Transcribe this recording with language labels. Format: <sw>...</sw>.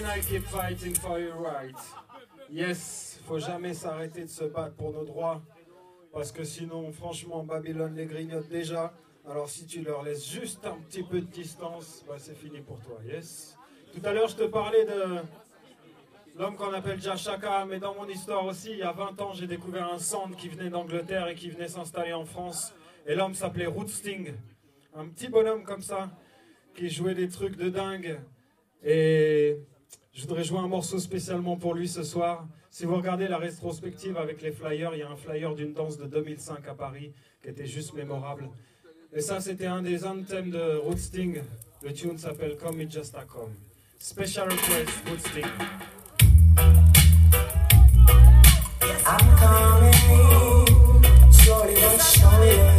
<en>keep fighting for your rights.</en> <fr>Yes, faut jamais s'arrêter de se battre pour nos droits. Parce que sinon, franchement, Babylone les grignote déjà. Alors si tu leur laisses juste un petit peu de distance, bah, c'est fini pour toi. Yes. Tout à l'heure, je te parlais de l'homme qu'on appelle Jashaka, mais dans mon histoire aussi, il y a 20 ans, j'ai découvert un sound qui venait d'Angleterre et qui venait s'installer en France. Et l'homme s'appelait Rootsting. Un petit bonhomme comme ça, qui jouait des trucs de dingue. Et je voudrais jouer un morceau spécialement pour lui ce soir. Si vous regardez la rétrospective avec les flyers, il y a un flyer d'une danse de 2005 à Paris qui était juste mémorable. Et ça, c'était un des anthèmes de Rootsting. Le tune s'appelle Come It Just A Come.</fr> <en>Special request, Rootsting. I'm coming, shorty, don't show me.</en>